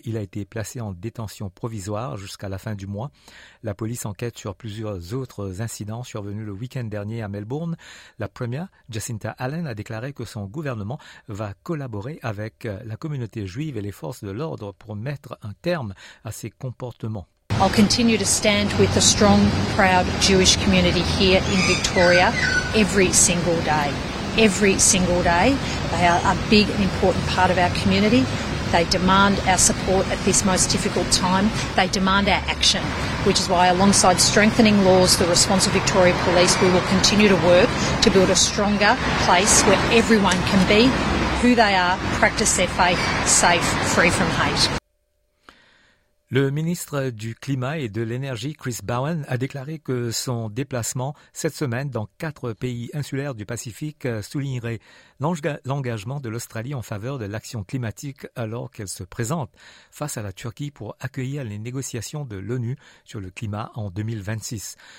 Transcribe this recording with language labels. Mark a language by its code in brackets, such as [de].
[fr] Il a été placé en détention provisoire jusqu'à la fin du mois. La police enquête sur plusieurs autres incidents survenus le week-end dernier à Melbourne. La première, Jacinta Allen, a déclaré que son gouvernement va collaborer avec la communauté juive et les forces de l'ordre pour mettre un terme à ces comportements. [en] I'll continue to stand with the strong, proud Jewish community here in Victoria every single day. Every single day. They are a big and important part of our community. They demand our support at this most difficult time. They demand our action, which is why alongside strengthening laws, the response of Victoria Police, we will continue to work to build a stronger place where everyone can be who they are, practice their faith, safe, free from hate. [fr] Le ministre du Climat et de l'Énergie, Chris Bowen, a déclaré que son déplacement cette semaine dans 4 pays insulaires du Pacifique soulignerait l'engagement de l'Australie en faveur de l'action climatique alors qu'elle se présente face à la Turquie pour accueillir les négociations de l'ONU sur le climat en 2026.